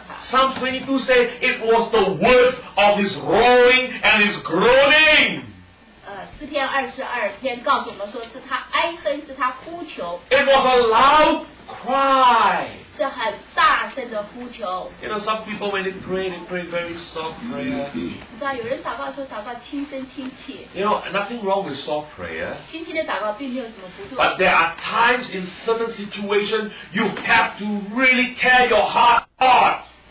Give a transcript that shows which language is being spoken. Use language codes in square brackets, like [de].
[en] Psalm 22 says it was the words of his roaring and his groaning. [zh] 诗篇22篇告诉我们说是他哀恨，是他呼求。 [en] It was a loud cry. [zh] 是很大声的呼求。 [en] You know, some people when they pray very soft prayer. [zh] 你知道有人祷告说祷告轻声轻气。 [en] You know, nothing wrong with soft prayer. [zh] 轻轻的祷告并没有什么不对。 [en] But there are times in certain situations you have to really tear your heart apart.